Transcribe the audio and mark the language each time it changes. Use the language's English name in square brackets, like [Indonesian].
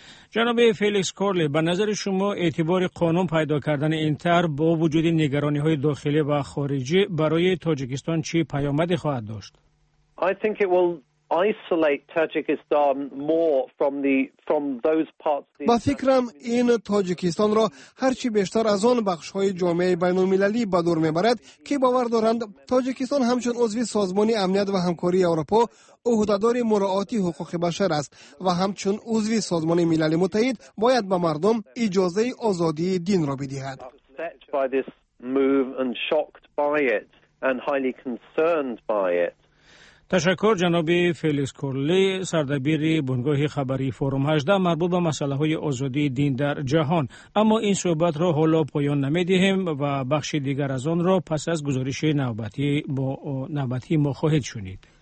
[Persian] جناب فیلیکس کورلی، به نظر شما اعتبار قانون پیدا کردن این تر با وجود نگرانی های داخلی و خارجی برای تاجیکستان چی پیامدی خواهد داشت؟ [English] I think it will isolate Tajikistan more from those parts. [Persian] با فکرم این تاجیکستان را هرچی بیشتر از آن بخش های جامعه بین المللی به دور میبرد که باور دارند تاجیکستان همچون عضو سازمان امنیت و همکاری اروپا عهده‌دار مراعات حقوق بشر است و همچون عضو سازمان ملل متحد باید به مردم اجازه آزادی دین را بدهد. [English] Move and shocked by it and highly concerned by it. [Persian] تشکر جناب فلیکس کورلی، سردبیر بنگاه خبری فورم 18 مربوط به مسئله های آزادی دین در جهان. اما این صحبت را حالا پایان نمی دهیم و بخش دیگر از آن را پس از گزارش نوبتی با نوبتی ما خواهید شنید.